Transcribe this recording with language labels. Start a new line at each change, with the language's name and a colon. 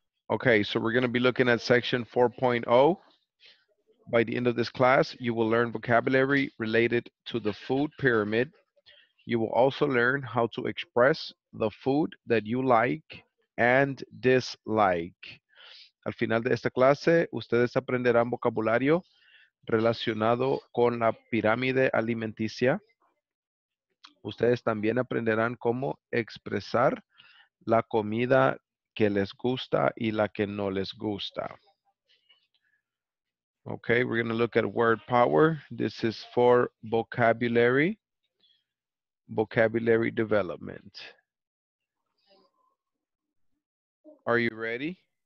English: Okay, so we're going to be looking at section 4.0. By the end of this class, you will learn vocabulary related to the food pyramid. You will also learn how to express the food that you like and dislike.
Spanish: Al final de esta clase, ustedes aprenderán vocabulario relacionado con la pirámide alimenticia. Ustedes también aprenderán cómo expresar la comida que les gusta y la que no les gusta.
English: Okay, we're going to look at word power. This is for vocabulary development. Are you ready?